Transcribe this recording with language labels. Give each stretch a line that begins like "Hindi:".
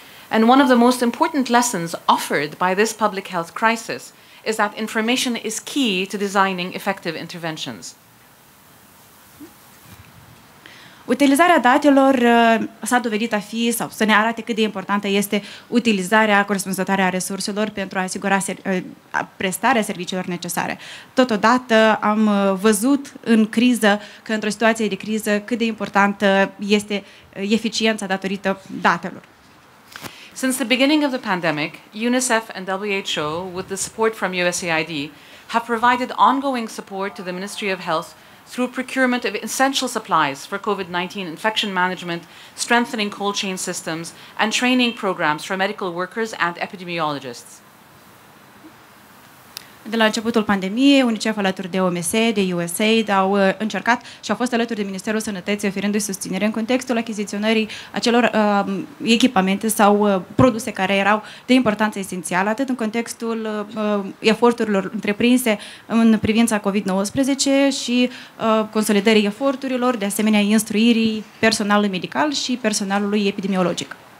English: And one of the most important lessons offered by this public health crisis is that information is key to designing effective interventions.
Romanian: Utilizarea datelor s-a dovedit a fi, sau să ne arate cât de importantă este utilizarea corespunzătoare a resurselor pentru a asigura prestarea serviciilor necesare. Totodată am văzut în criză, că într-o situație de criză, cât de importantă este eficiența datorită datelor.
English: Since the beginning of the pandemic, UNICEF and WHO, with the support from USAID, have provided ongoing support to the Ministry of Health through procurement of essential supplies for COVID-19 infection management, strengthening cold chain systems, and training programs for medical workers and epidemiologists.
Romanian: de la începutul pandemiei, UNICEF alături de OMS, de USAID, au încercat și au fost alături de Ministerul Sănătății, oferindu-i susținere în contextul achiziționării acelor echipamente sau produse care erau de importanță esențială, atât în contextul eforturilor întreprinse în privința COVID-19 și consolidării eforturilor, de asemenea instruirii personalului medical și personalului epidemiologic.